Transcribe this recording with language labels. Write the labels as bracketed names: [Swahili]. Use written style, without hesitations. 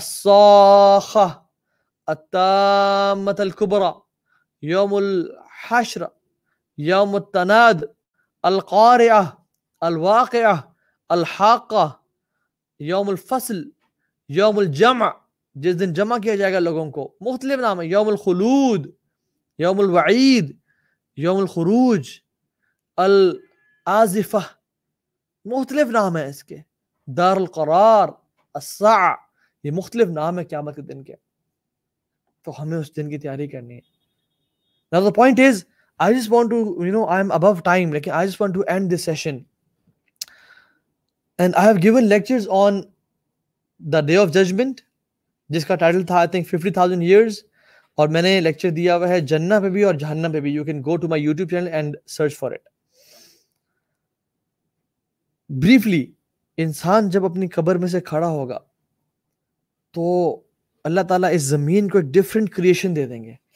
[Urdu] الصاخہ التامۃ الکبریٰ، یوم الحشر، یوم التناد، القارعہ، الواقعہ، الحاقہ، یوم الفصل، یوم الجمع، جس دن جمع کیا جائے گا لوگوں کو، مختلف نام ہے، یوم الخلود، یوم الوعید، یوم الخروج، العازفہ، مختلف نام ہے اس کے، دار القرار، الساعۃ، یہ مختلف نام ہے قیامت کے دن کے. تو ہمیں اس دن کی تیاری کرنی ہے. [English] Now the point is, I just want to, you know, I am above time, like I just want to end this session. And I have given lectures on the Day of Judgment, [Urdu] jiska title tha, [English] I think, 50,000 years. [Urdu] اور میں نے lecture دیا ہوا ہے جنہ پہ بھی اور جہنم پہ بھی. [English] You can go to my YouTube channel and search for it. [Urdu] Briefly, انسان جب اپنی قبر میں سے کھڑا ہوگا تو اللہ تعالیٰ اس زمین کو ایک ڈفرینٹ کریشن دے دیں گے.